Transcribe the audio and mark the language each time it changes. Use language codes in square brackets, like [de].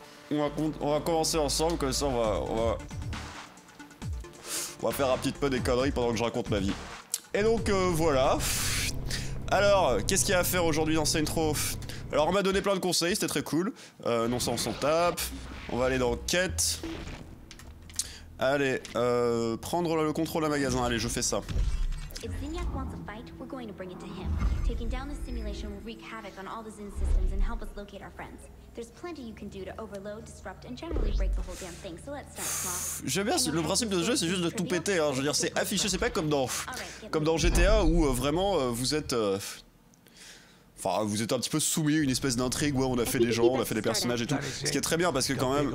[fr] On va commencer ensemble, comme ça on va faire un petit peu des conneries pendant que je raconte ma vie. Et donc voilà. Alors, qu'est-ce qu'il y a à faire aujourd'hui dans Saints Row? Alors on m'a donné plein de conseils, c'était très cool. Non ça on s'en tape. On va aller dans quête. Allez, prendre le contrôle d'un magasin, allez je fais ça. [en] If Zinyak wants a fight, we're going to bring it to him. Taking down the simulation will wreak havoc on all the Zin systems and help us locate our friends. There's plenty you can do to overload, disrupt, and generally break the whole damn thing, so let's start small. [fr] J'aime bien, le principe de ce jeu, c'est juste de tout péter, hein. Je veux dire, c'est affiché, c'est pas comme dans... comme dans GTA, où vraiment, vous êtes... enfin, vous êtes un petit peu soumis, une espèce d'intrigue, ouais, on a fait des gens, on a fait des personnages et tout. Ce qui est très bien, parce que quand même...